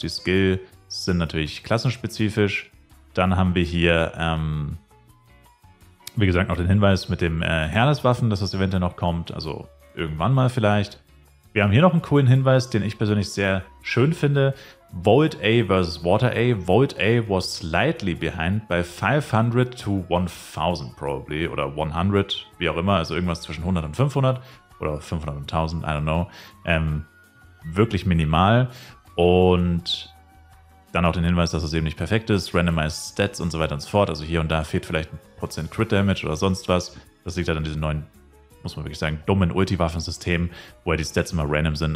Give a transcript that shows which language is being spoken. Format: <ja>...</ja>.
<de>Die Skills sind natürlich klassenspezifisch. Dann haben wir hier, wie gesagt, noch den Hinweis mit dem Herrless-Waffen, dass das eventuell noch kommt. Also irgendwann mal vielleicht. Wir haben hier noch einen coolen Hinweis, den ich persönlich sehr schön finde.</de> <en>Volt A vs. Water A. Volt A was slightly behind by 500 to 1000 probably.</en> <de>Oder 100, wie auch immer. Also irgendwas zwischen 100 und 500. Oder 500 und 1000,</de> <en>I don't know.</en> <de>Wirklich minimal. Und dann auch den Hinweis, dass es eben nicht perfekt ist. Randomized Stats und so weiter und so fort. Also hier und da fehlt vielleicht ein Prozent Crit Damage oder sonst was. Das liegt halt an diesen neuen, muss man wirklich sagen, dummen Ulti-Waffensystem, wo ja die Stats immer random sind.</de>